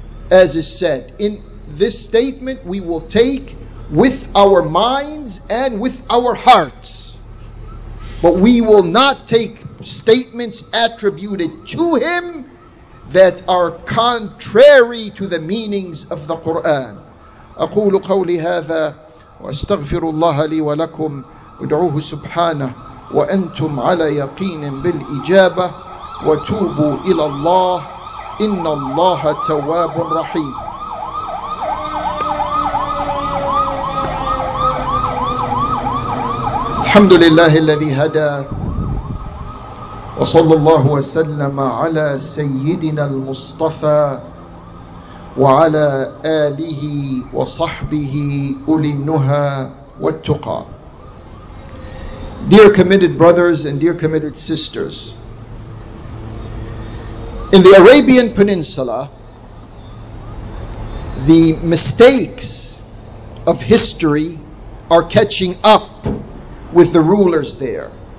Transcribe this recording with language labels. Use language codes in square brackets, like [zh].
[en] As is said, in this statement we will take with our minds and with our hearts. But we will not take statements attributed to him that are contrary to the meanings of the Quran. [ar] أقول قولي هذا وأستغفر الله لي ولكم ودعوه سبحانه وأنتم على يقين بالإجابة وتوبوا إلى الله إن الله تواب رحيم. الحمد لله الذي هدى وصلى الله وسلم على سيدنا المصطفى وعلى آله وصحبه أولي النهى والتقى. [en] Dear committed brothers and dear committed sisters, in the Arabian Peninsula, the mistakes of history are catching up with the rulers there.